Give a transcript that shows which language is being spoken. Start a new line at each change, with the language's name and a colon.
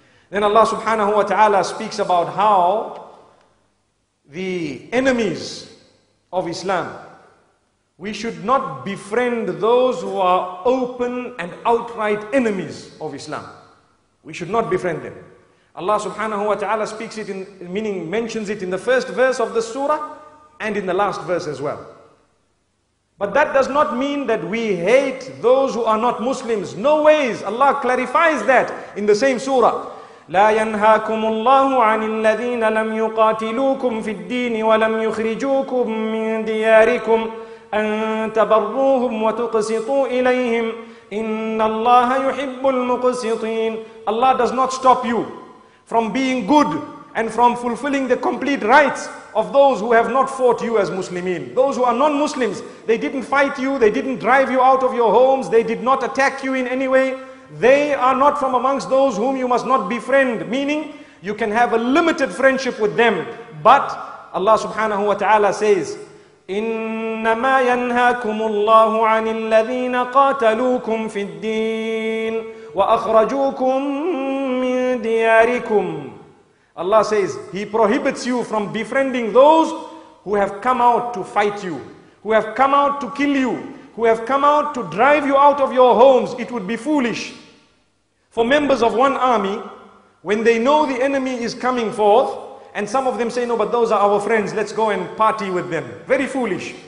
English: Then Allah subhanahu wa ta'ala speaks about how the enemies of Islam, we should not befriend those who are open and outright enemies of Islam. We should not befriend them. Allah subhanahu wa ta'ala speaks it in, meaning mentions it in the first verse of the surah and in the last verse as well. But that does not mean that we hate those who are not Muslims. No ways. Allah clarifies that in the same surah.
Arabic: لا ينهاكم الله عن الذين لم يقاتلوكم في الدين ولم يخرجوكم من دياركم أن تبروهم وتقسطوا إليهم إن الله يحب المقسطين.
English: Allah does not stop you from being good and from fulfilling the complete rights of those who have not fought you as Muslimin. Those who are non-Muslims, they didn't fight you, they didn't drive you out of your homes, they did not attack you in any way. They are not from amongst those whom you must not befriend, meaning you can have a limited friendship with them. But Allah subhanahu wa ta'ala says,
Arabic: إنما ينهاكم الله عن الذين قاتلوكم في الدين وأخرجوكم من دياركم.
English: Allah says He prohibits you from befriending those who have come out to fight you, who have come out to kill you, who have come out to drive you out of your homes. It would be foolish for members of one army, when they know the enemy is coming forth, and some of them say, no, but those are our friends, let's go and party with them. Very foolish.